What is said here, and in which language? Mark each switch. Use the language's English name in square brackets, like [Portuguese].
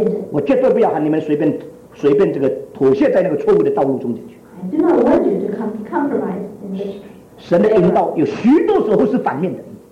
[Chinese] 我绝对不要喊你们随便这个妥协在那个错误的道路中间去。 [English] I do not want you to compromise in this. [Chinese] 神的引导有许多时候是反面的。